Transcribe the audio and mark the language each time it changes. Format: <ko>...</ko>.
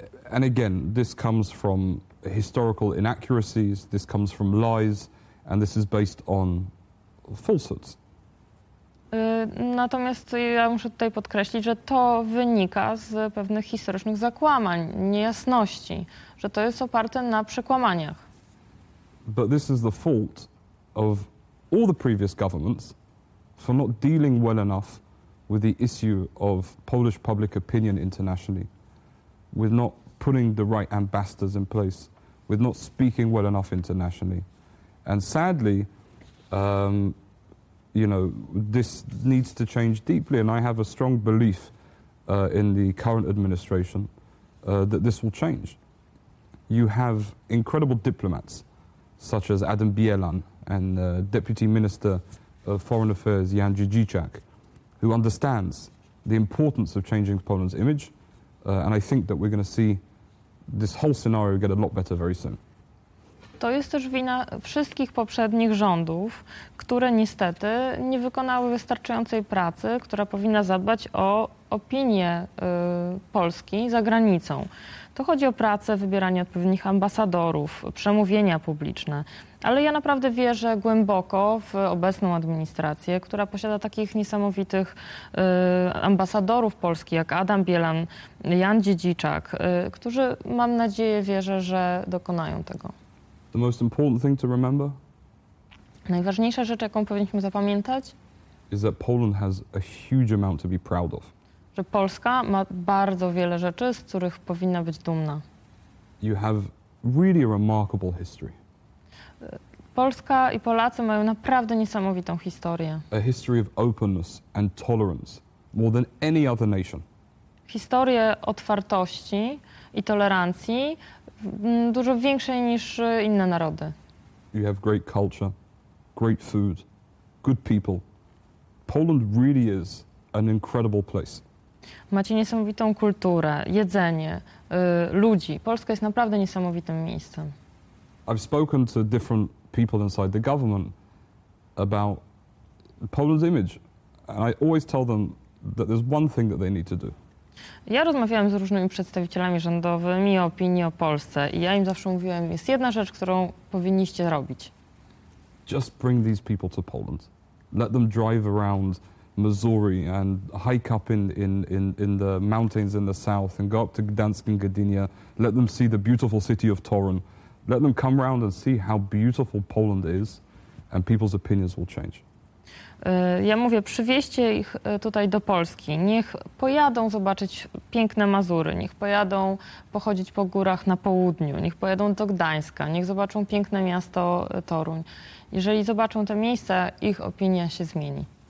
<en>And again, this comes from historical inaccuracies, this comes from lies, and this is based on falsehoods.</en> <pl>Natomiast ja muszę tutaj podkreślić, że to wynika z pewnych historycznych zakłamań, niejasności, że to jest oparte na przekłamaniach.</pl> <en>But this is the fault of all the previous governments for not dealing well enough with the issue of Polish public opinion internationally, with not putting the right ambassadors in place, with not speaking well enough internationally. And sadly, you know, this needs to change deeply, and I have a strong belief in the current administration that this will change. You have incredible diplomats, such as Adam Bielan and Deputy Minister of Foreign Affairs Jan Dziedziczak, who understands the importance of changing Poland's image, and I think that we're going to see this whole scenario get a lot better very soon.</en> <pl>To jest też wina wszystkich poprzednich rządów, które niestety nie wykonały wystarczającej pracy, która powinna zadbać o opinię Polski za granicą. To chodzi o pracę, wybieranie odpowiednich ambasadorów, przemówienia publiczne. Ale ja naprawdę wierzę głęboko w obecną administrację, która posiada takich niesamowitych ambasadorów Polski, jak Adam Bielan, Jan Dziedziczak, którzy, mam nadzieję, wierzę, że dokonają tego.</pl> <en>The most important thing to remember?</en> <pl>Najważniejsza rzecz, jaką powinniśmy zapamiętać?</pl> <en>Is that Poland has a huge amount to be proud of.</en> <pl>Że Polska ma bardzo wiele rzeczy, z których powinna być dumna.</pl> <en>You have really a remarkable history.</en> <pl>Polska i Polacy mają naprawdę niesamowitą historię.</pl> <en>A history of openness and tolerance, more than any other nation.</en> <pl>Historię otwartości i tolerancji dużo większej niż inne narody.</pl> <en>You have great culture, great food, good people. Poland really is an incredible place.</en> <pl>Macie niesamowitą kulturę, jedzenie, ludzi. Polska jest naprawdę niesamowitym miejscem.</pl> <en>I've spoken to different people inside the government about Poland's image, and I always tell them that there's one thing that they need to do.</en> <pl>Ja rozmawiałem z różnymi przedstawicielami rządowymi o opinii o Polsce i ja im zawsze mówiłem, jest jedna rzecz, którą powinniście robić.</pl> <en>Just bring these people to Poland. Let them drive around Missouri and hike up in the mountains in the south and go up to Gdańsk and Gdynia. Let them see the beautiful city of Torun. Let them come around and see how beautiful Poland is and people's opinions will change.</en> <pl>Ja mówię, przywieźcie ich tutaj do Polski. Niech pojadą zobaczyć piękne Mazury, niech pojadą pochodzić po górach na południu, niech pojadą do Gdańska, niech zobaczą piękne miasto Toruń. Jeżeli zobaczą te miejsca, ich opinia się zmieni.</pl>